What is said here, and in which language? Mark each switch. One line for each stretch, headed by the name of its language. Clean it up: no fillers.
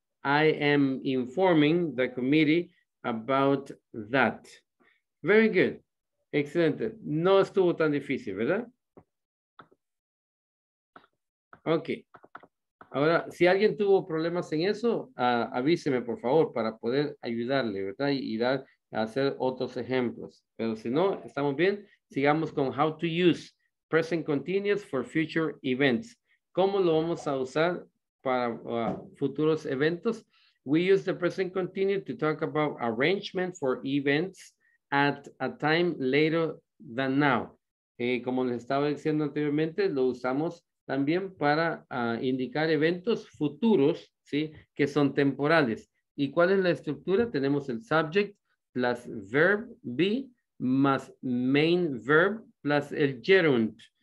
English: I am informing the committee about that. Very good.
Spanish: Excelente. No estuvo tan difícil, ¿verdad? Ok. Ahora, si alguien tuvo problemas en eso, avíseme, por favor, para poder ayudarle, ¿verdad? Y dar a hacer otros ejemplos. Pero si no, estamos bien. Sigamos con
English: how to use present continuous for future events.
Spanish: ¿Cómo lo vamos a usar para futuros eventos?
English: We use the present continuous to talk about arrangement for events at a time later than now.
Spanish: Como les estaba diciendo anteriormente, lo usamos también para indicar eventos futuros, ¿sí? Que son temporales. ¿Y cuál es la estructura? Tenemos el
English: subject plus verb be
Spanish: más
English: main verb plus
Spanish: el gerund.